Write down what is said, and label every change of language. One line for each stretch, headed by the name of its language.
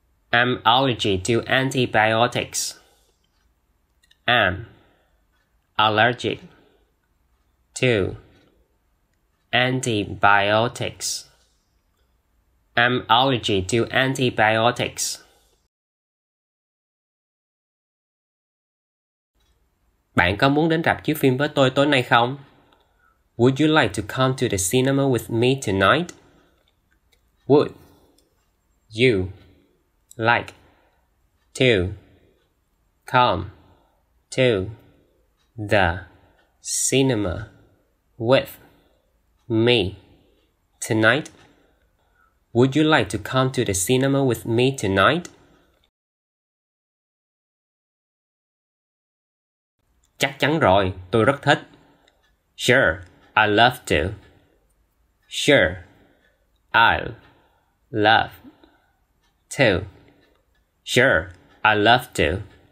English: I'm allergic to antibiotics. I'm allergic to antibiotics. I'm allergic to antibiotics.
Vietnamese: Bạn có muốn đến rạp chiếu phim với tôi tối nay không?
English: Would you like to come to the cinema with me tonight? Would you like to come to the cinema with me tonight? Would you like to come to the cinema with me tonight?
Vietnamese: Chắc chắn rồi, tôi rất thích.
English: Sure, I love to. Sure, I'll love to. Sure, I love to.